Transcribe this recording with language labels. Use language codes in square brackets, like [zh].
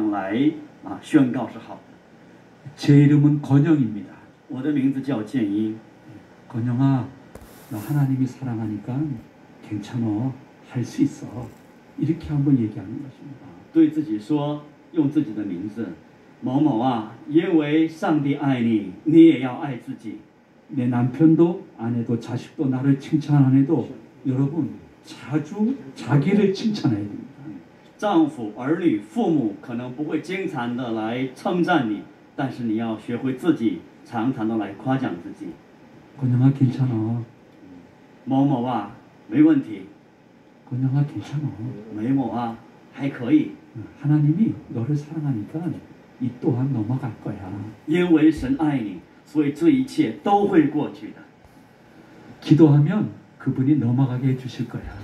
[zh] 所以常常用自己的口这样来宣告是好的。 [ko] 제 이름은 권영입니다. [zh] 我的名字叫建英。 [ko] 권영아, 너 하나님이 사랑하니까 괜찮아, 할 수 있어. 이렇게 한번 얘기하는 것입니다. [zh] 对自己说，用自己的名字，某某啊，因为上帝爱你，你也要爱自己。 [ko] 내 남편도 아내도 자식도 나를 칭찬 안 해도 여러분 자주 자기를 칭찬해야 됩니다. [zh] 丈夫、儿女、父母可能不会经常的来称赞你，但是你要学会自己常常的来夸奖自己。 [ko] 권영아 괜찮아. [zh] 某某啊， 没问题。 [ko] 권영아 괜찮아. [zh] 某某啊， 还可以。 [ko] 하나님이 너를 사랑하니까 이 또한 넘어갈 거야. [zh] 因为神爱你。所以这一切都会过去的。 [ko] 기도하면 그분이 넘어가게 해주실 거야.